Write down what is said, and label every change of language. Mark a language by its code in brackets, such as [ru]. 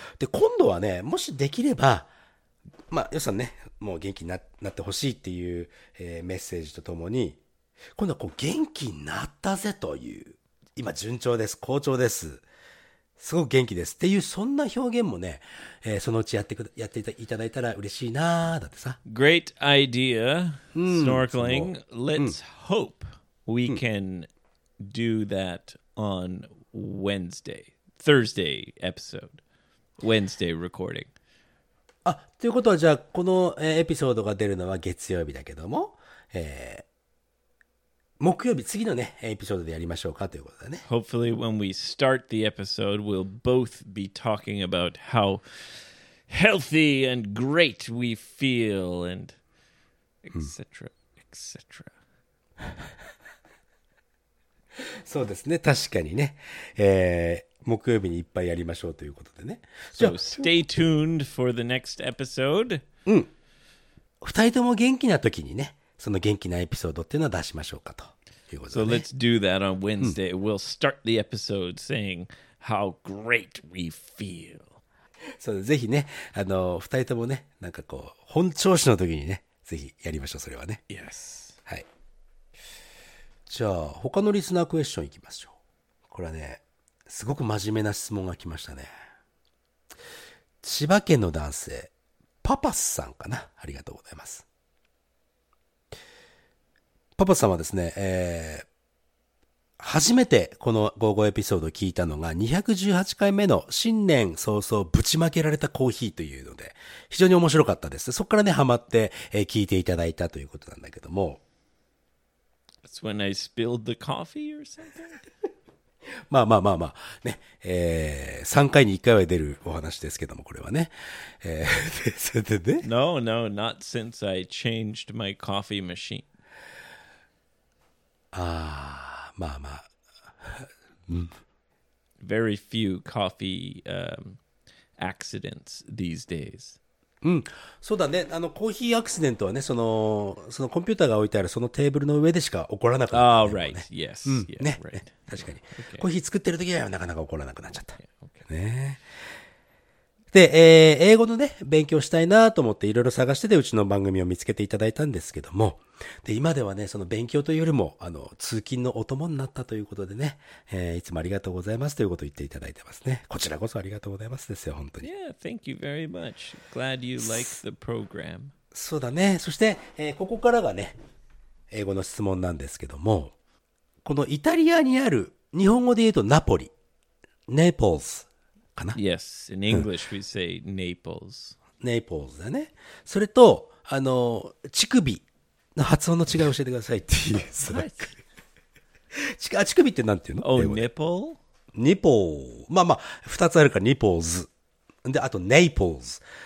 [ja] で今度はねもしできればまあ予算ねもう元気になってほしいっていう、メッセージとともに今度はこう元気になったぜという今順調です好調ですすごく元気ですっていうそんな表現もね、そのうちやっていただいたら嬉しいなだってさ。 [en] Great idea snorkeling、うん、Let's hope we can do that on Wednesday Thursday episode Wednesday recording [ja] あということはじゃあこのエピソードが出るのは月曜日だけども、木曜日次のねエピソードでやりましょうかということだね。 [en] Hopefully when we start the episode, we'll both be talking about how healthy and great we feel and etc. etc. [ja] そうですね、確かにね、木曜日にいっぱいやりましょうということでね。 [en] So stay tuned for the next episode. うん。 [ja] 二人とも元気な時にね、その元気なエピソードっていうのを出しましょうかと。 [en] So let's do that on Wednesday.、うん、we'll start the episode saying how great we feel. [ja] そうぜひね、あの、二人ともね、なんかこう、本調子の時にね、ぜひやりましょう、それはね。 [en] Yes. [ja] はい。じゃあ、他のリスナークエスチョンいきましょう。これはね、すごく真面目な質問が来ましたね。千葉県の男性、パパスさんかな。ありがとうございます。パパさんはですね、初めてこの午後エピソードを聞いたのが218回目の新年早々ぶちまけられたコーヒーというので非常に面白かったです。そこからねハマって、聞いていただいたということなんだけども。 [en] That's when I spilled the coffee or something? [ja] まあまあまあまあ、ね、3回に1回は出るお話ですけどもこれはね。それでね。 [en] No, no, not since I changed my coffee machine. ああ、まあまあ。 Very few coffee、accidents these days. [ja] うん、そうだね。あの、コーヒーアクシデントはね、そのコンピューターが置いてあるそのテーブルの上でしか起こらなかった、ね。 [en] Oh, right. Yes. ね。 [ja] 確かに。Okay. コーヒー作ってる時はなかなか起こらなくなっちゃった。 [en] Okay. ね。 [ja] で、英語のね、勉強したいなと思っていろいろ探してて、うちの番組を見つけていただいたんですけども、で、今ではね、その勉強というよりも、通勤のお供になったということでね、いつもありがとうございますということを言っていただいてますね。こちらこそありがとうございますですよ、本当に。 [en] Yeah, thank you very much. Glad you like the program. [ja] そうだね。そして、ここからがね、英語の質問なんですけども、このイタリアにある、日本語で言うとナポリ、ネポーズ。かな? [en] Yes, in English we say Naples. [ja] Naples だね。それと、乳首の発音の違いを教えてくださいっていう。そう。乳首ってなんていうの? [en] Oh, nipple? Nipple。 [ja] まあまあ、二つあるから、Nipples。で、あと、Naples。